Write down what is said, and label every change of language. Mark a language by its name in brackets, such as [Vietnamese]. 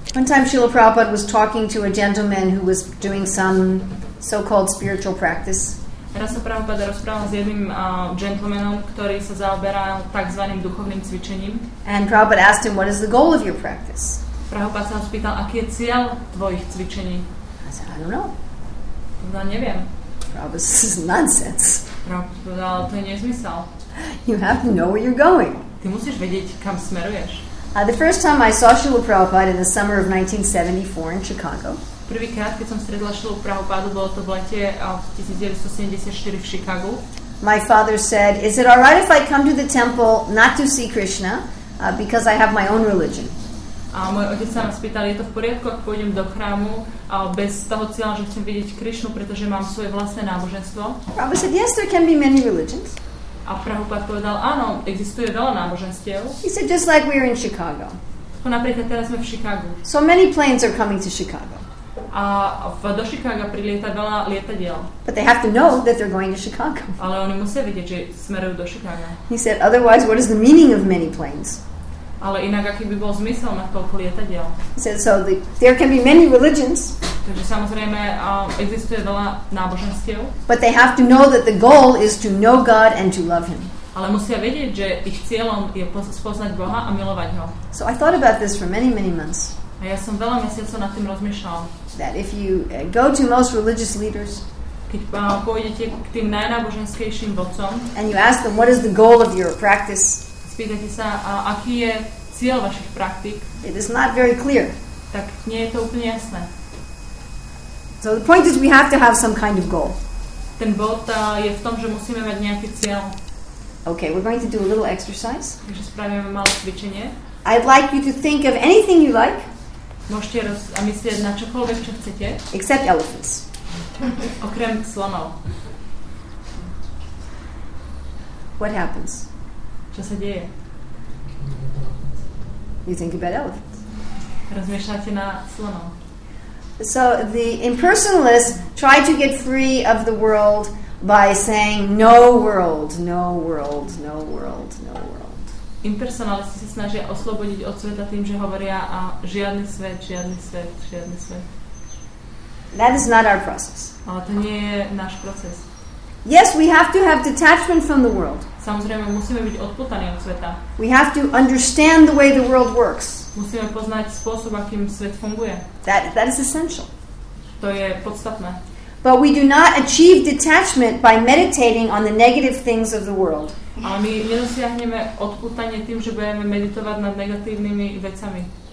[English] One time Srila Prabhupada was talking to a gentleman who was doing some so-called spiritual practice. [Slovak] Raz sa Prabhupada rozprával s jedným gentlemanom, ktorý sa zaoberal takzvaným duchovným cvičením. [English] And Prabhupada asked him, what is the goal of your practice? [Slovak] Prabhupada sa ho spýtal, aký je cieľ tvojich cvičení? [English] I said, I don't know. [Slovak] No, neviem. [English] Prabhupada, this is nonsense. [Slovak] Prabhupada, to je nezmysel. [English] You have to know where you're going. [Slovak] Ty musíš vedieť, kam smeruješ. [English] The first time I saw Srila Prabhupada in the summer of 1974 in Chicago. [Slovak] Prvýkrát, keď som stretla Srila Prabhupádu, bolo to v lete 1974 v Chicagu. [English] My father said, is it all right if I come to the temple not to see Krishna, because I have my own religion? [Slovak] A môj otec sa ma spýtal, je to v poriadku, ak pôjdem do chrámu bez toho cieľa, že chcem vidieť Krishnu, pretože mám svoje vlastné náboženstvo? [English] Prabhupada said, yes, there can be many religions. [Slovak] A Prabhupád povedal, áno, existuje veľa náboženstiev. [English] He said, just like we are in Chicago. [Slovak] To napríklad teraz sme v Chicagu. [English] So many planes are coming to Chicago. [Slovak] A do Chicaga prilieta veľa lietadiel. [English] But they have to know that they're going to Chicago. [Slovak] Ale oni musia vedieť, že smerujú do Chicaga. [English] He said, otherwise, what is the meaning of many planes? [Slovak] Ale inak, aký by bol zmysel mať toľko lietadiel? [English] He said, so there can be many religions. [Slovak] Takže samozrejme, existuje veľa náboženstiev. [English] But they have to know that the goal is to know God and to love Him. [Slovak] Ale musia vedieť, že ich cieľom je spoznať Boha a milovať Ho. [English] So I thought about this for many, many months. [Slovak] A ja som veľa mesiacov nad tým rozmýšľal. [English] That if you go to most religious leaders, [Slovak] keď pôjdete k tým najnáboženskejším vodcom, [English] and you ask them what is the goal of your practice, [Slovak] spýtate sa, aký je cieľ vašich praktik, [English] it is not very clear. [Slovak] Tak nie je to úplne jasné. [English] So the point is we have to have some kind of goal. [Slovak] Ten bod je v tom, že musíme mať nejaký cieľ. [English] Okay, we're going to do a little exercise. [Slovak] Takže spravíme malé cvičenie. [English] I'd like you to think of anything you like. [Slovak] Môžete myslieť na čokoľvek, čo chcete. [English] Except elephants. [Slovak] Okrem slonov. [English] What happens? [Slovak] Čo sa deje? [English] You think about elephants. [Slovak] Rozmýšľate na slonov. [English] So the impersonalists try to get free of the world by saying no world, no world, no world, no world. [Slovak] Impersonalisti sa snažia oslobodiť od sveta tým, že hovoria a žiadny svet, žiadny svet, žiadny svet. [English] That is not our process. [Slovak] Ale to nie je náš proces. [English] Yes, we have to have detachment from the world. [Slovak] Samozrejme, musíme byť odputaní od sveta. [English] We have to understand the way the world works. [Slovak] Musíme poznať spôsob, akým svet funguje. [English] That is essential. [Slovak] To je podstatné. [English] But we do not achieve detachment by meditating on the negative things of the world. [Slovak] A my nedosiahneme odpútanie tým, že budeme meditovať nad negatívnymi vecami.